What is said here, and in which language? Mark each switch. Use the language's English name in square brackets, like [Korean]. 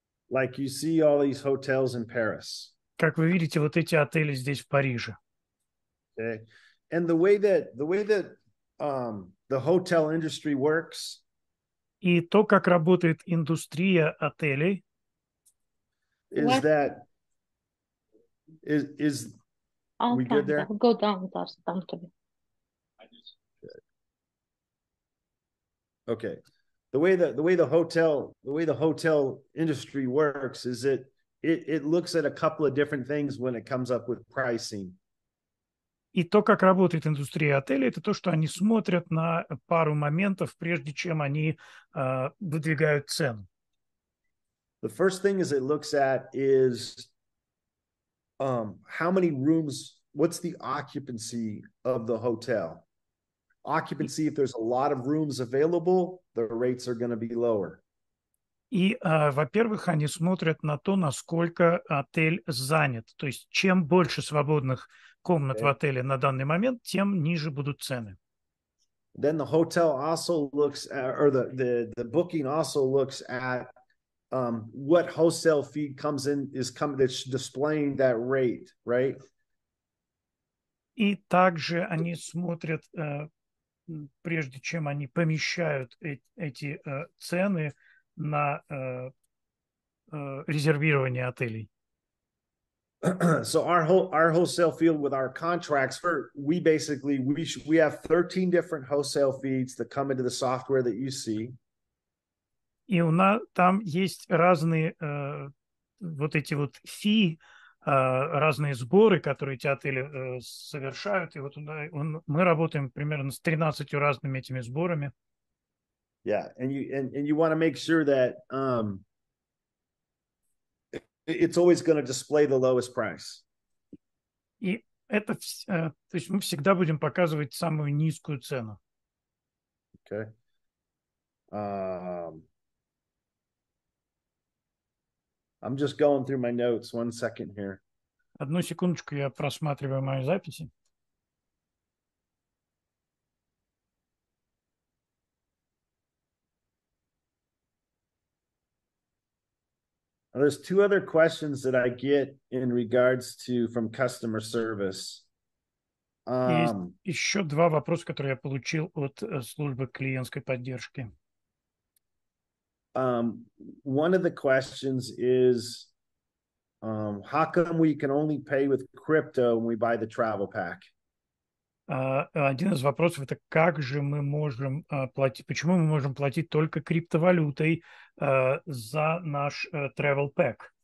[English] Like you see all these hotels in Paris. [Russian] Как вы видите вот эти отели здесь в Париже. [English] Okay. And the way that the hotel industry works. [Russian] И то, как работает индустрия отелей. [English] Is what? That is I'm we good there? Go down with us. Down to me. Okay. The way the hotel industry works is it looks at a couple of different things when it comes up with pricing. [Russian] И то, как работает индустрия отелей, это то, что они смотрят на пару моментов, прежде чем они выдвигают цену. [English] The first thing is it looks at is how many rooms, what's the occupancy of the hotel? Occupancy, if there's a lot of rooms available, the rates are going to be lower. [Russian] И, во-первых, они смотрят на то, насколько отель занят. То есть, чем больше свободных комнат в отеле на данный момент, тем ниже будут цены. [English] Then the hotel also looks at, or the booking also looks at what wholesale fee comes in, is coming, that's displaying that rate, right? [Russian] И также они смотрят, прежде чем они помещают эти цены на резервирование отелей. [English] So our wholesale fee with our contracts, we have 13 different wholesale fees that come into the software that you see. [Russian] И у нас там есть разные вот эти вот fee, разные сборы, которые эти отели совершают, и вот мы работаем примерно с 13 разными этими сборами. [English] Yeah, and you want to make sure that it's always going to display the lowest price. [Russian] И это то есть мы всегда будем показывать самую низкую цену. [English] Okay. I'm just going through my notes. One second here. [Russian] Одну секундочку, я просматриваю мои записи. [English] There's two other questions that I get in regards to from customer service. [Russian] Есть еще два вопроса, которые я получил от службы клиентской поддержки. [English] One of the questions is, how come we can only pay with crypto when we buy the travel pack? [Russian] Один из вопросов это как же мы можем платить, почему мы можем платить только криптовалютой за наш travel pack?